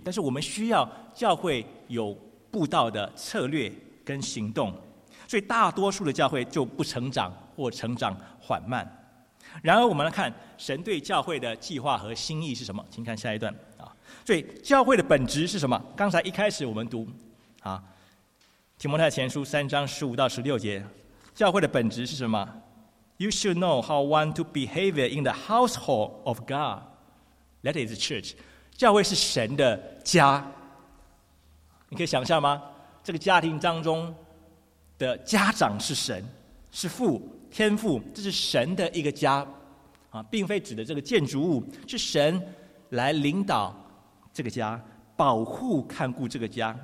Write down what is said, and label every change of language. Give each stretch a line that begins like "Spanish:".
Chinese: 但是我们需要教会有布道的策略跟行动，所以大多数的教会就不成长或成长缓慢。然而我们来看神对教会的计划和心意是什么，请看下一段啊。所以教会的本质是什么？刚才一开始我们读啊，提摩太前书三章十五到十六节，教会的本质是什么？
English: You should know how one to behave in the household of God. That is the church.
Chinese: 教会是神的家，你可以想象吗？这个家庭当中的家长是神，是父，天父，这是神的一个家啊，并非指的这个建筑物，是神来领导这个家，保护看顾这个家。